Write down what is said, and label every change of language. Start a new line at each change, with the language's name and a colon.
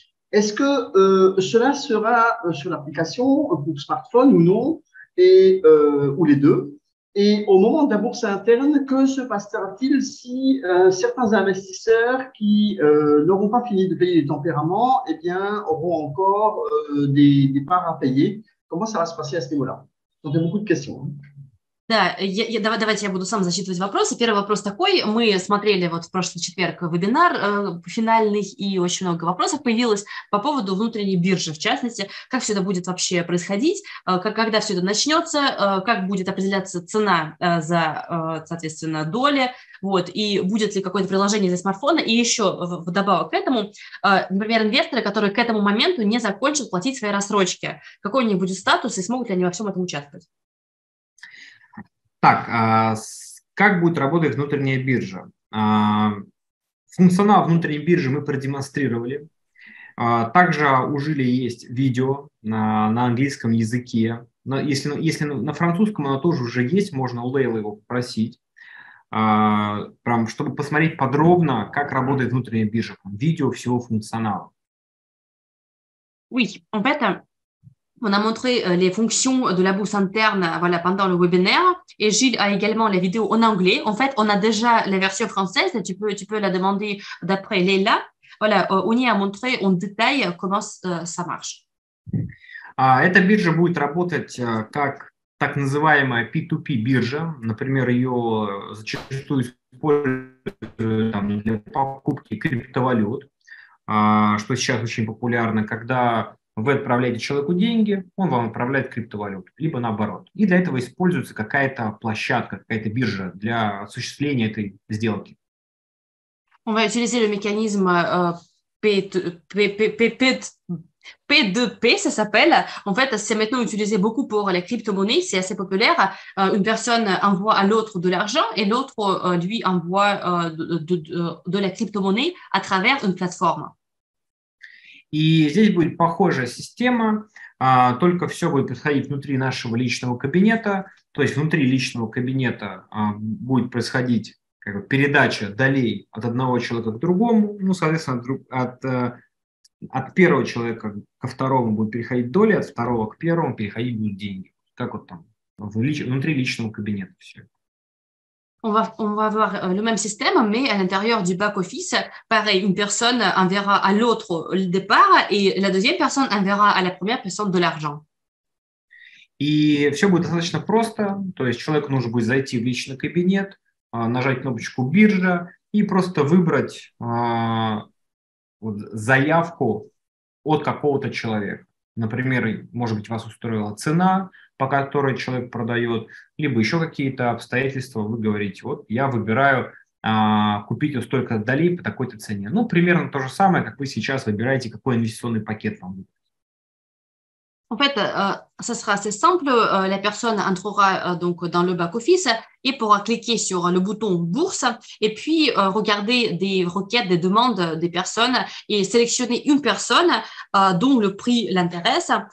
French: Est-ce que cela sera sur l'application pour smartphone ou non, ou les deux? Et au moment de la bourse interne, que se passera-t-il si certains investisseurs qui n'auront pas fini de payer les tempéraments eh bien, auront encore des parts à payer? Comment ça va se passer à ce niveau-là? Donc, il y a beaucoup de questions.
Russian: Да, давайте я буду сам зачитывать вопросы. Первый вопрос такой. Мы смотрели вот в прошлый четверг вебинар финальный, и очень много вопросов появилось по поводу внутренней биржи, в частности, как все это будет вообще происходить, когда все это начнется, как будет определяться цена за, соответственно, доли, вот, и будет ли какое-то приложение для смартфона. И еще вдобавок к этому, например, инвесторы, которые к этому моменту не закончат платить свои рассрочки, какой у них будет статус и смогут ли они во всем этом участвовать? Так, как будет работать внутренняя биржа? Функционал внутренней биржи мы продемонстрировали. Также у Жили есть видео на английском языке. Но если на французском оно тоже уже есть, можно у Лейла его попросить, прям, чтобы посмотреть подробно, как работает внутренняя биржа. Видео всего функционала.
French: Oui, en fait... On a montré les fonctions de la bourse interne voilà, pendant le webinaire. Et Gilles a également les vidéos en anglais. En fait, on a déjà la version française. Tu peux la demander d'après Leila. Voilà, on y a montré en détail comment ça marche.
Russian: Эта биржа будет работать как так называемая P2P биржа. Например, ее зачастую используют для покупки криптовалют, что сейчас очень популярно, когда... Вы отправляете человеку деньги, он вам отправляет криптовалюту, либо наоборот. И для этого используется какая-то площадка, какая-то биржа для осуществления этой сделки.
French: Он va utiliser le mécanisme P2P, ça s'appelle. En fait, c'est maintenant utilisé beaucoup pour les crypto-monnaies, c'est assez populaire. Une personne envoie à l'autre de l'argent et l'autre lui envoie de la crypto-monnaie à travers une plateforme.
Russian: И здесь будет похожая система, только все будет происходить внутри нашего личного кабинета. То есть внутри личного кабинета будет происходить как бы, передача долей от одного человека к другому. Ну, соответственно, от первого человека ко второму будут переходить доли, от второго к первому переходить будут деньги. Как вот там, внутри личного кабинета все.
French: On va avoir le même système, mais à l'intérieur du back-office, pareil, une personne enverra à l'autre le départ et la deuxième personne enverra à la première personne de l'argent.
Russian: И все будет достаточно просто, то есть человеку нужно будет зайти в личный кабинет, нажать кнопочку «Биржа» и просто выбрать заявку от какого-то человека. Например, может быть, вас устроила цена, по которой человек продает, либо еще какие-то обстоятельства, вы говорите, вот я выбираю купить вот столько долей по такой-то цене. Ну, примерно то же самое, как вы сейчас выбираете, какой инвестиционный пакет вам будет.
French: En fait, ce sera assez simple. La personne entrera donc dans le back-office et pourra cliquer sur le bouton bourse et puis regarder des requêtes, des demandes des personnes et sélectionner une personne dont le prix l'intéresse.